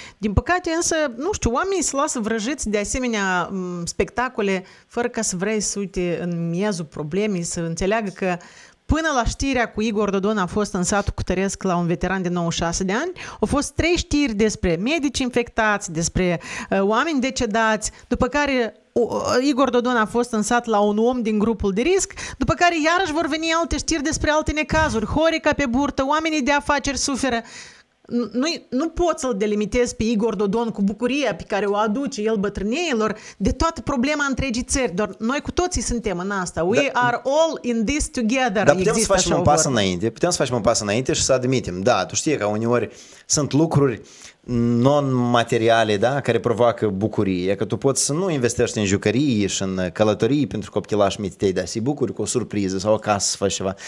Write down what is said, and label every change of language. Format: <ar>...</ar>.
<ro>Din păcate, însă, nu știu, oamenii se lasă vrăjiți de asemenea spectacole fără ca să vrei să uite în miezul problemei, să înțeleagă că până la știrea cu Igor Dodon a fost în satul Cutăresc la un veteran de 96 de ani, au fost 3 știri despre medici infectați, despre oameni decedați, după care Igor Dodon a fost în sat la un om din grupul de risc, după care iarăși vor veni alte știri despre alte necazuri, Horeca pe burtă, oamenii de afaceri suferă. Nu pot să-l delimitez pe Igor Dodon cu bucuria pe care o aduce el bătrâneilor de toată problema întregii țări. Doar noi cu toții suntem în asta.</ro> <en>We are all in this together.</en> <ro>Dar putem să facem un pas înainte. Putem să facem un pas înainte și să admitem. Da, tu știi că uneori sunt lucruri non-materiale, da, care provoacă bucurie. Că tu poți să nu investești în jucării și în călătorii pentru copilași mici tăi, dar să-i bucuri cu o surpriză sau acasă să faci ceva.</ro>